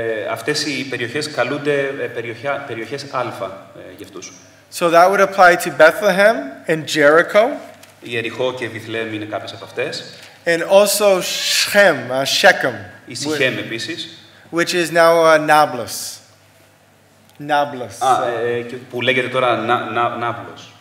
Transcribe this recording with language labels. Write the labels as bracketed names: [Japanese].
[Greek] Αυτές οι περιοχές καλούνται περιοχές Alpha για αυτούς. [English] So that would apply to Bethlehem and Jericho. [Greek] Ιεριχώ και Βηθλέμ είναι κάποιες από αυτές. [English] And also Shechem, Shechem. [Greek] Η Σιχέμ επίσης. [English] Which is now Nablus. Nablus. [Greek] Που λέγεται τώρα Nablus.